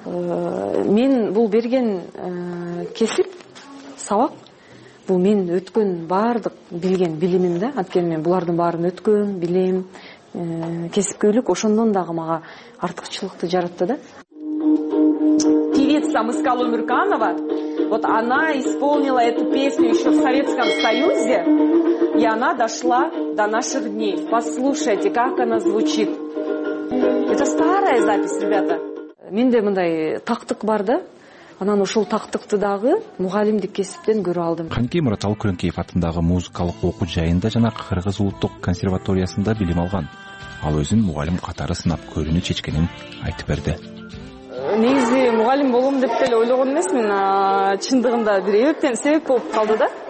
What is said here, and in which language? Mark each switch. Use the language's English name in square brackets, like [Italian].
[Kyrgyz] Мен бул берген кесип, сабак бул мен өткөн баардык билген билимим да. Анткени мен булардын баарын өткөн, билем. кесипкөйлүк ошондон дагы мага артыкчылыкты жаратты да. [Russian] Певица Мыскалы Мүрканова, вот она исполнила эту песню еще в Советском Союзе, и она дошла до наших дней. Послушайте, как она звучит. Это старая запись, ребята. [Kyrgyz] Менде мындай тактык бар да. Анан ошол тактыкты дагы мугалимдик кесиптен көрүп алдым. Ханки Муратал Күрөнкеев атындагы музыкалык окуу жайында жана Кыргыз улуттук консерваториясында билим алган. Ал өзүн мугалим катары сынап көрүүнү чечкенин айтып берди. Негизи мугалим болом деп деле ойлогон эмесмин, а чындыгында бир эптен себеп болуп калды да.